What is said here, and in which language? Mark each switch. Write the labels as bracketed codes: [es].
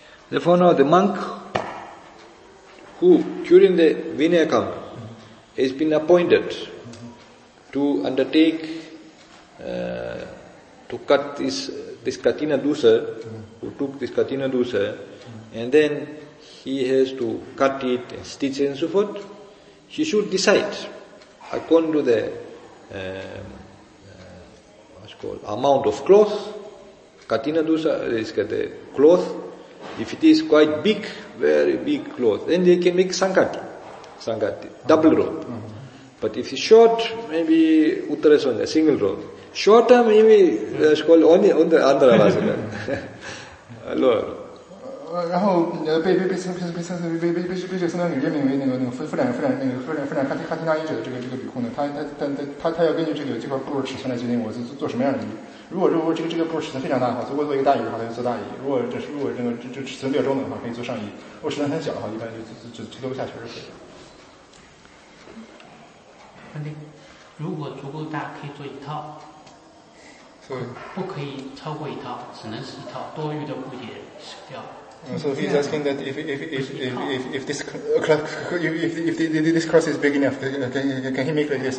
[en] Therefore now the monk who during the Vinaya camp has been appointed to undertake to cut this katina dusa, who took this katina dusa, and then he has to cut it and stitch it and so forth, he should decide according to the what's called amount of cloth, katina dusa is the cloth. If it is quite big, very big cloth, then they can make sangati, double rope. Mm-hmm. But if it's short, maybe uttarasana, single rope. Shorter, maybe it's called only on the andhravasana. Lower. [zh] 然后被这个僧侣任命为那个副长卡提纳衣者的这个比库呢，他要根据这块布尺寸来决定我做什么样的衣。如果这个布尺寸非常大的话，足够做一个大衣的话，他就做大衣。如果这个这尺寸比较中等的话，可以做上衣。如果尺寸很小的话，一般就留下确实可以。那如果足够大可以做一套，不可以超过一套，只能是一套，多余的布也舍掉。 [en] So he's asking that if this cross is big enough, can he make like this?